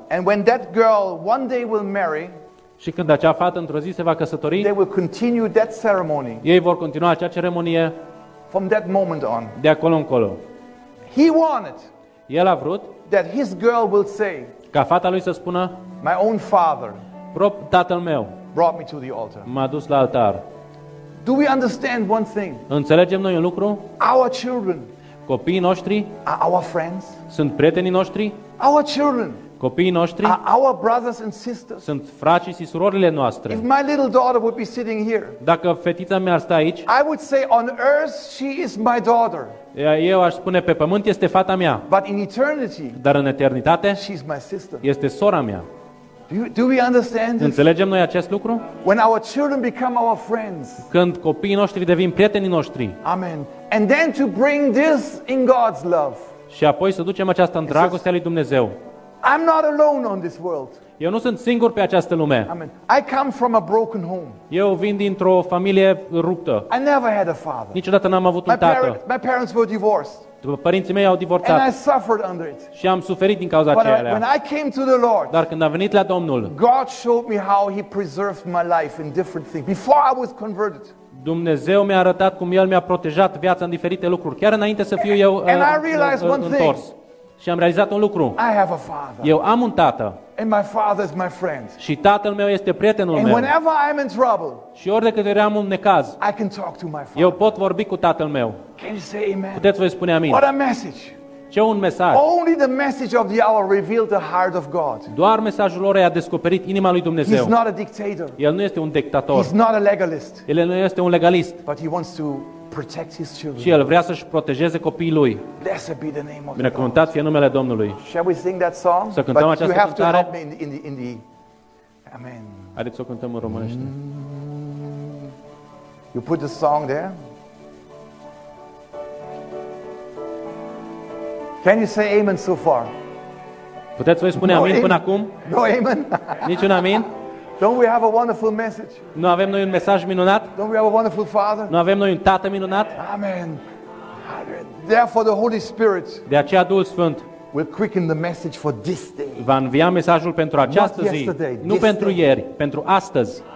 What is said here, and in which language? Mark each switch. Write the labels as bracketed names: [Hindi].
[English] And when that girl one day will marry. [Romanian] Și când acea fată într-o zi se va căsători. [English] They will continue that ceremony. [Romanian] Ei vor continua acea ceremonie. [English] From that moment on. [Romanian] De acolo încolo. [English] He wanted. [Romanian] El a vrut. [English] That his girl will say. [Romanian] Ca fata lui să spună. [English] My own father. [Romanian] Tatăl meu. [English] Brought me to the altar. [Romanian] M-a dus la altar. [English] Do we understand one thing? [Romanian] Înțelegem noi un lucru? [English] Our children. [Romanian] Copiii noștri. [English] Are our friends. [Romanian] Sunt prietenii noștri. [English] Our children. [Romanian] Copiii noștri. [English] Are our brothers and sisters. [Romanian] Sunt frații și surorile noastre. [English] If my little daughter would be sitting here. [Romanian] Dacă fetița mea ar sta aici. [English] I would say on earth she is my daughter. [Romanian] Eu aș spune pe pământ este fata mea. [English] But in eternity. [Romanian] Dar în eternitate. [English] She is my sister. [Romanian] Este sora mea. [English] Do we understand? [Romanian] Înțelegem noi acest lucru? [English] When our children become our friends. [Romanian] Când copiii noștri devin prietenii noștri. [English] Amen. And then to bring this in God's love. [Romanian] Și apoi să ducem aceasta în dragostea lui Dumnezeu. [English] I'm not alone on this world. [Romanian] Eu nu sunt singur pe această lume. [English] Amen. I come from a broken home. [Romanian] Eu vin dintr-o familie ruptă. [English] I never had a father. [Romanian] Niciodată n-am avut un tată. [English] My parents were divorced. [Romanian] Părinții mei au divorțat. [English] And I suffered under it. [Romanian] Și am suferit din cauza aceea. [English] When I came to the Lord. [Romanian] Dar când am venit la Domnul. [English] God showed me how he preserved my life in different things before I was converted. [Romanian] Dumnezeu mi-a arătat cum el mi-a protejat viața în diferite lucruri, chiar înainte să fiu eu întors. Și am realizat un lucru. [English] I have a father. [Romanian] Eu am un tată. [English] And my father is my friend. [Romanian] Și tatăl meu este prietenul meu. [English] And whenever I'm in trouble. [Romanian] Și ori de câte ori am un necaz. [English] I can talk to my father. [Romanian] Eu pot vorbi cu tatăl meu. [English] Can you say amen? [Romanian] Puteți voi spune amin? [English] What a message. [Romanian] Ce un mesaj. [English] Only the message of the hour revealed the heart of God. [Romanian] Doar mesajul orei a descoperit inima lui Dumnezeu. [English] He's not a dictator. [Romanian] El nu este un dictator. [English] He's not a legalist. [Romanian] El nu este un legalist. [English] But he wants to protect his children. [Romanian] Și el vrea să-și protejeze copiii lui. Binecuvântat fie numele Domnului. [English] Shall we sing that song? [Romanian] Să cântăm această cântare. [English] But you have to help me in the amen. [Romanian] Haideți să o cântăm în românește. [English] You put the song there. Can you say amen so far? [Romanian] Puteți voi spune amin până acum? [English] No amen. [Romanian] Niciun amin. [English] Don't we have a wonderful message? [Romanian] Nu avem noi un mesaj minunat? [English] Don't we have a wonderful father? [Romanian] Nu avem noi un tată minunat? [English] Amen. Therefore the Holy Spirit. [Romanian] De aceea Duhul Sfânt. [English] Will quicken the message for this day. [Romanian] Va învia mesajul pentru această zi. Nu pentru ieri, pentru astăzi.